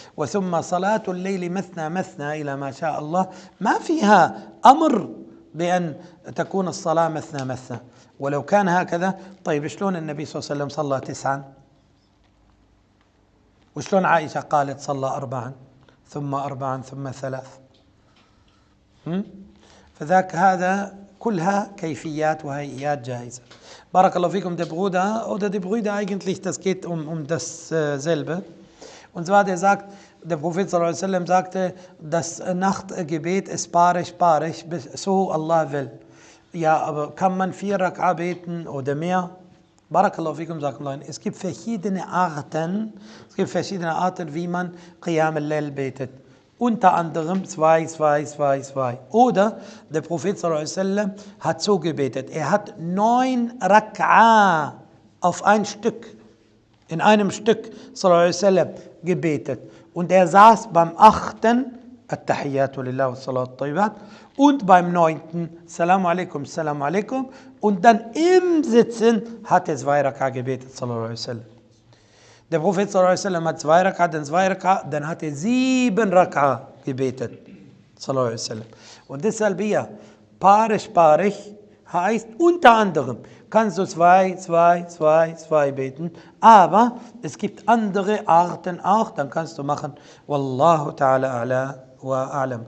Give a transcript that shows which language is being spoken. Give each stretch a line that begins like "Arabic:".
Arabic: وثم صلاة الليل مثنى مثنى إلى ما شاء الله ما فيها أمر بأن تكون الصلاة مثنى مثنى، ولو كان هكذا طيب شلون النبي صلى الله عليه وسلم صلى 9 وشلون عائشة قالت صلى 4 ثم 3؟ فذاك هذا كلها كيفيات وهيئات جائزة. بارك الله فيكم. دي بغودة أو دي بغودة
German: eigentlich das geht um das selbe. Und zwar der sagt, Der Prophet صلى الله عليه وسلم sagte, das Nachtgebet ist parisch, bis so Allah will. Ja, aber kann man vier Rak'a beten oder mehr? Barakallahu fikum, sagt Allah. Es gibt verschiedene Arten, wie man Qiyam al-Layl betet. Unter anderem 2-2-2-2. Oder der Prophet صلى الله عليه وسلم hat so gebetet. Er hat 9 Rak'a auf ein Stück, in einem Stück صلى الله عليه وسلم gebetet. Und er saß beim 8.
Arabic: التحيات لله والصلاة الطيبات
German: und beim 9.
Arabic: السلام عليكم السلام عليكم
German: und dann im Sitzen hat er 2 Rak'a gebetet صلى الله عليه وسلم. Der Prophet صلى الله عليه وسلم hat 2 Rak'a, dann 2 Rak'a, dann hat er 7 Rak'a gebetet صلى الله عليه وسلم. Und deshalb hier parisch heißt unter anderem kannst du 2-2-2-2 beten, aber es gibt andere Arten auch, dann kannst du machen Wallahu ta'ala a'la wa a'lam.